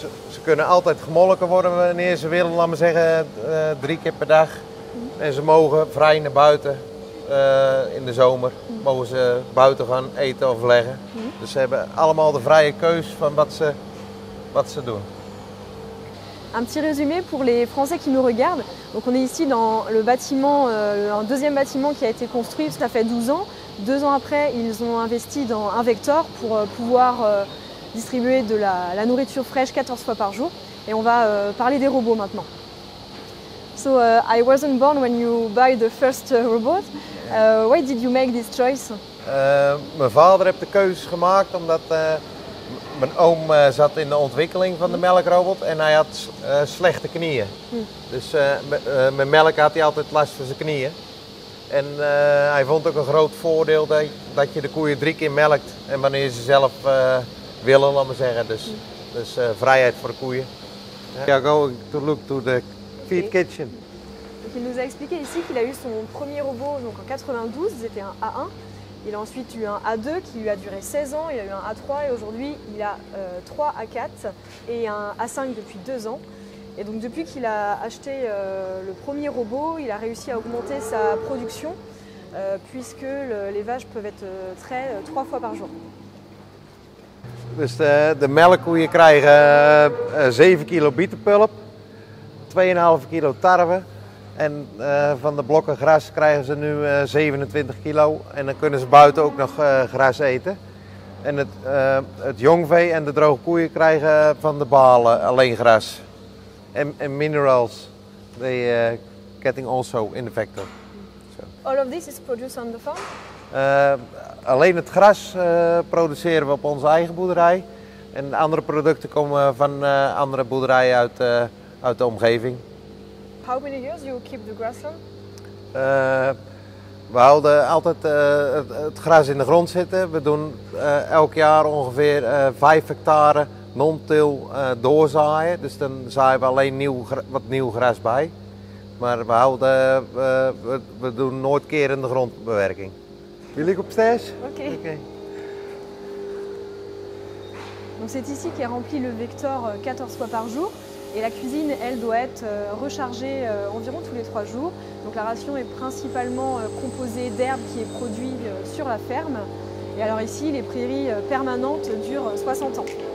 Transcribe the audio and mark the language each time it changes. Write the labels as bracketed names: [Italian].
[Dutch] Ze kunnen altijd gemolken worden wanneer ze willen, laat maar zeggen, 3 keer per dag. En ze mogen vrij naar buiten in de zomer. Mogen ze buiten gaan eten of leggen. Dus ze hebben allemaal de vrije keus van wat ze doen. [French] Un petit résumé pour les Français qui nous regardent. Donc on est ici dans le bâtiment, un deuxième bâtiment qui a été construit, ça fait 12 ans. 2 ans après, ils ont investi dans un Vector pour pouvoir distribuer de la nourriture fraîche 14 fois par jour. Et on va parler des robots maintenant. [English] So I wasn't born when you buy the first robot. Why did you make this choice? [Dutch] Mijn vader heeft de keuze gemaakt omdat Mijn oom zat in de ontwikkeling van de melkrobot en hij had slechte knieën. Dus met melk had hij altijd last van zijn knieën. En hij vond ook een groot voordeel dat je de koeien 3 keer melkt en wanneer ze zelf willen, laat maar zeggen. Dus vrijheid voor de koeien. We gaan naar de feed kitchen. [French] Donc il nous a expliqué ici qu'il a eu son premier robot donc en 92, c'était un A1. Il a ensuite eu un A2 qui lui a duré 16 ans, il y a eu un A3 et aujourd'hui il a 3 A4 et un A5 depuis 2 ans. Et donc depuis qu'il a acheté le premier robot, il a réussi à augmenter sa production puisque les vaches peuvent être traites 3 fois par jour. [Dutch] Dus de melkkoeien krijgen 7 kilo bietenpulp, 2,5 kilo tarwe. En van de blokken gras krijgen ze nu 27 kilo. En dan kunnen ze buiten ook nog gras eten. En het jongvee en de droge koeien krijgen van de balen alleen gras. [English] En minerals, they getting also in the factory. So. All of this is produced on the farm? [Dutch] Alleen het gras produceren we op onze eigen boerderij. En andere producten komen van andere boerderijen uit de omgeving. [English] How many years you keep the grass on? [Dutch] We houden altijd het gras in de grond zitten. We doen elk jaar ongeveer 5 hectare non-till doorzaaien. Dus dan zaaien we alleen nieuw gras bij. Maar we houden we doen nooit keren de grondbewerking. Jullie op stage? Oké. [French] Donc c'est ici qui est rempli le vecteur 14 fois par jour. Et la cuisine, elle, doit être rechargée environ tous les 3 jours. Donc la ration est principalement composée d'herbes qui est produite sur la ferme. Et alors ici, les prairies permanentes durent 60 ans.